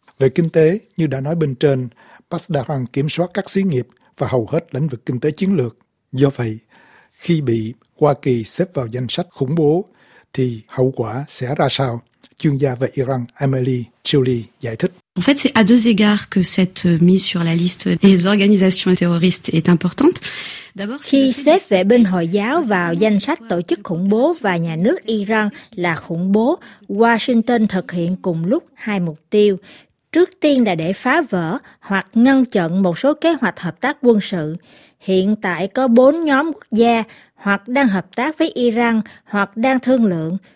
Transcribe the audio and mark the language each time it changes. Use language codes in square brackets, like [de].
[vi] Về kinh tế, như đã nói bên trên, Pasdaran kiểm soát các xí nghiệp và hầu hết lĩnh vực kinh tế chiến lược. Do vậy, khi bị Hoa Kỳ xếp vào danh sách khủng bố, thì hậu quả sẽ ra sao? Chuyên gia về Iran Amelie Chouli giải thích. [fr] En fait, c'est à deux égards que cette mise sur la liste des organisations terroristes est importante. [vi] Khi xếp vệ binh Hồi giáo vào danh sách tổ chức khủng bố và nhà nước Iran là khủng bố, Washington thực hiện cùng lúc hai mục tiêu. Trước tiên là để phá vỡ hoặc ngăn chặn một số kế hoạch hợp tác quân sự. Hiện tại có bốn nhóm quốc gia hoặc đang hợp tác với Iran hoặc đang thương lượng.